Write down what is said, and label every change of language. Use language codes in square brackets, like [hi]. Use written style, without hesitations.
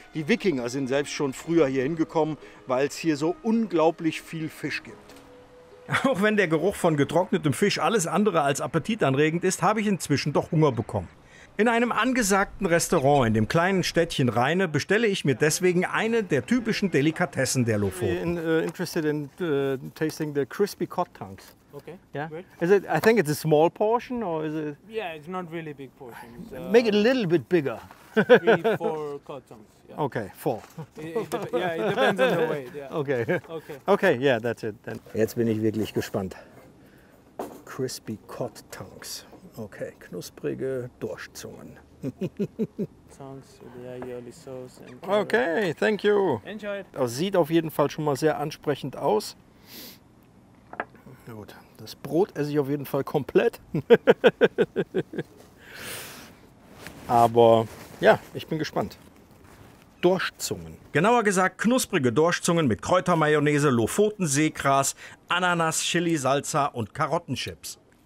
[de] Die Wikinger sind selbst schon früher hier hingekommen, weil es hier so unglaublich viel Fisch gibt. Auch wenn der Geruch von getrocknetem Fisch alles andere als appetitanregend ist, habe ich inzwischen doch Hunger bekommen. In einem angesagten Restaurant in dem kleinen Städtchen Rheine bestelle ich mir deswegen eine der typischen Delikatessen der Lofoten. [en] I'm interested in tasting the crispy cod tongues. Okay. Yeah. Great. Is it, I think it's a small portion or is it? Yeah, it's not really a big portion. Make it a little bit bigger. Three, four cod tongues. Yeah. Okay, four. it depends on the weight, yeah. Okay. Okay, yeah, that's it then. [de] Jetzt bin ich wirklich gespannt. [en] Crispy cod tongues. Okay, [de] knusprige Dorschzungen. [en] Thanks for the aioli sauce. Okay, thank you. Enjoy it. [de] Das sieht auf jeden Fall schon mal sehr ansprechend aus. Gut, das Brot esse ich auf jeden Fall komplett. Aber ja, ich bin gespannt. Dorschzungen. Genauer gesagt knusprige Dorschzungen mit Kräutermayonnaise, Lofoten-Seegras, Ananas, Chili, Salsa und Karottenchips.